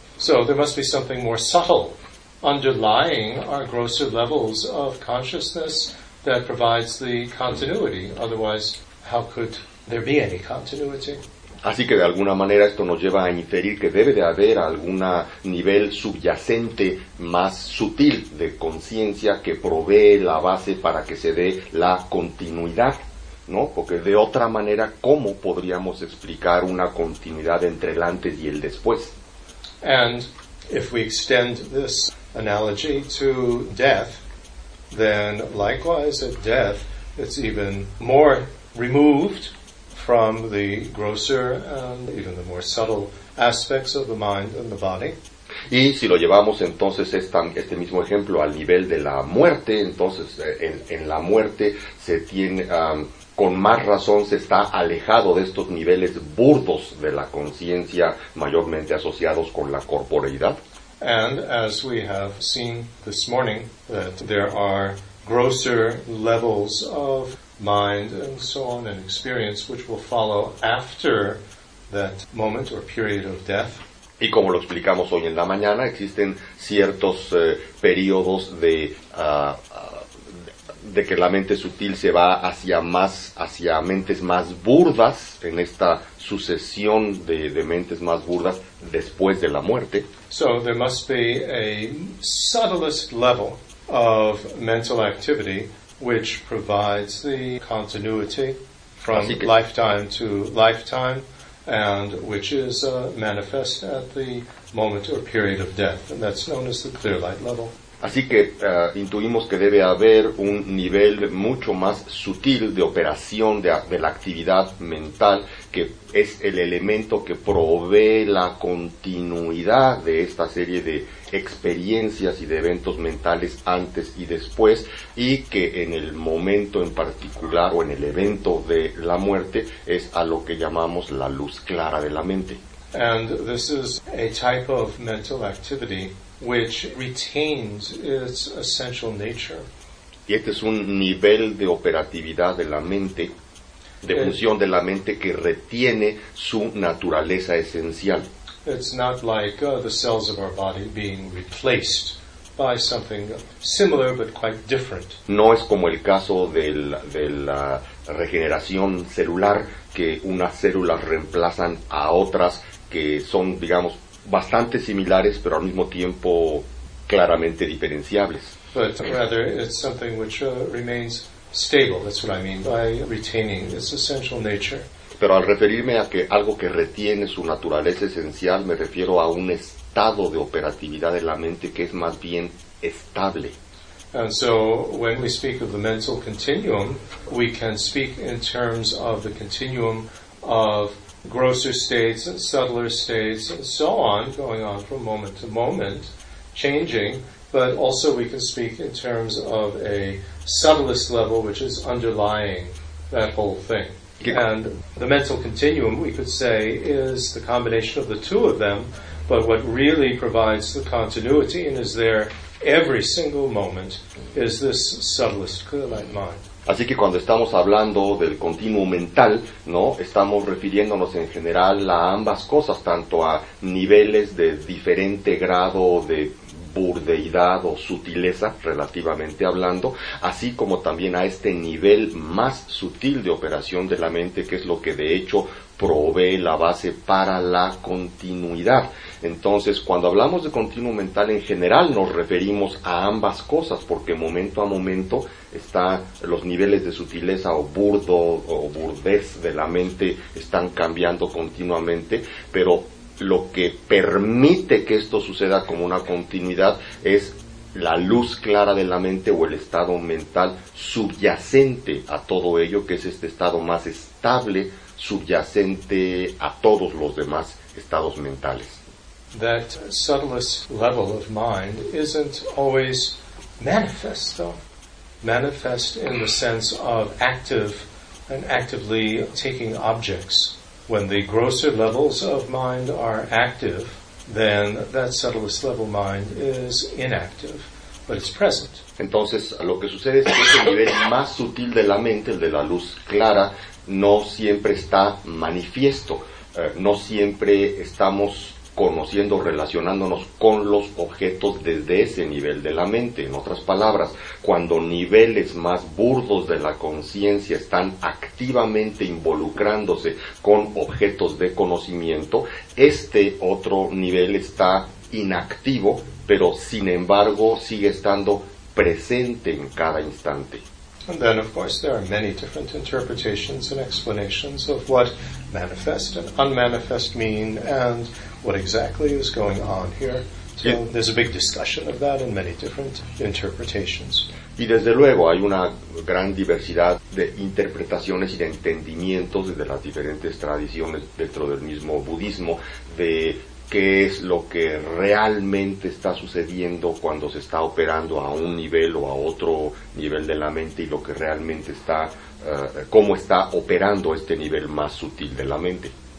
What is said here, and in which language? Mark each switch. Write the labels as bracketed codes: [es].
[en] So there must be something more subtle underlying our grosser levels of consciousness that provides the continuity. Otherwise, how could there be any continuity? [es] Así que de alguna manera esto nos lleva a inferir que debe de haber algún nivel subyacente más sutil de conciencia que provee la base para que se dé la continuidad, ¿no? Porque de otra manera, ¿cómo podríamos explicar una continuidad entre el antes y el después? [en] And if we extend this analogy to death, then likewise at death, it's even more removed from the grosser and even the more subtle aspects of the mind and the body. [es] Y si lo llevamos entonces este mismo ejemplo al nivel de la muerte, entonces en la muerte se tiene con más razón se está alejado de estos niveles burdos de la conciencia mayormente asociados con la corporeidad. [en] And as we have seen this morning, that there are grosser levels of mind and so on and experience which will follow after that moment or period of death. [es] Y como lo explicamos hoy en la mañana, existen ciertos periodos de que la mente sutil se va hacia mentes más burdas en esta sucesión de mentes más burdas después de la muerte. [en] So there must be a subtlest level of mental activity which provides the continuity from lifetime to lifetime and which is manifest at the moment or period of death, and that's known as the clear light level. [es] Así que intuimos que debe haber un nivel mucho más sutil de operación de la actividad mental, que es el elemento que provee la continuidad de esta serie de experiencias y de eventos mentales antes y después, y que en el momento en particular o en el evento de la muerte es a lo que llamamos la luz clara de la mente. [en] And this is a type of mental activity which retains its essential nature. [es] Y este es un nivel de operatividad de la mente, de función de la mente, que retiene su naturaleza esencial. [en] It's not like the cells of our body being replaced by something similar but quite different. [es] No es como el caso de la regeneración celular, que unas células reemplazan a otras que son, digamos, bastante similares, pero al mismo tiempo claramente diferenciables. [en] But rather, it's something which remains stable. That's what I mean by retaining its essential nature. [es] Pero al referirme a que algo que retiene su naturaleza esencial, me refiero a un estado de operatividad de la mente que es más bien estable. [en] And so, when we speak of the mental continuum, we can speak in terms of the continuum of grosser states and subtler states and so on, going on from moment to moment, changing, but also we can speak in terms of a subtlest level which is underlying that whole thing. And the mental continuum, we could say, is the combination of the two of them, but what really provides the continuity and is there every single moment is this subtlest clear light mind. [es] Así que cuando estamos hablando del continuo mental, ¿no?, estamos refiriéndonos en general a ambas cosas, tanto a niveles de diferente grado de burdeidad o sutileza, relativamente hablando, así como también a este nivel más sutil de operación de la mente, que es lo que de hecho provee la base para la continuidad. Entonces, cuando hablamos de continuo mental, en general nos referimos a ambas cosas, porque momento a momento están los niveles de sutileza o burdez de la mente están cambiando continuamente, pero lo que permite que esto suceda como una continuidad es la luz clara de la mente o el estado mental subyacente a todo ello, que es este estado más estable subyacente a todos los demás estados mentales. [en] That subtlest level of mind isn't always manifest, though. manifest in the sense of active and actively taking objects. When the grosser levels of mind are active, then that subtlest level mind is inactive, but it's present. [es] Entonces, lo que sucede es que el nivel más sutil de la mente, el de la luz clara, no siempre está manifiesto. No siempre estamos conociendo, relacionándonos con los objetos desde ese nivel de la mente. En otras palabras, cuando niveles más burdos de la conciencia están activamente involucrándose con objetos de conocimiento, este otro nivel está inactivo, pero sin embargo sigue estando presente en cada instante. [en] And then, of course, there are many different interpretations and explanations of what manifest and unmanifest mean and what exactly is going on here. So there's a big discussion of that in many different interpretations. [es] Y desde luego hay una gran diversidad de interpretaciones y de entendimientos desde las diferentes tradiciones dentro del mismo budismo de qué es lo que realmente está sucediendo cuando se está operando a un nivel o a otro nivel de la mente y lo que realmente está, cómo está operando este nivel más sutil de la mente.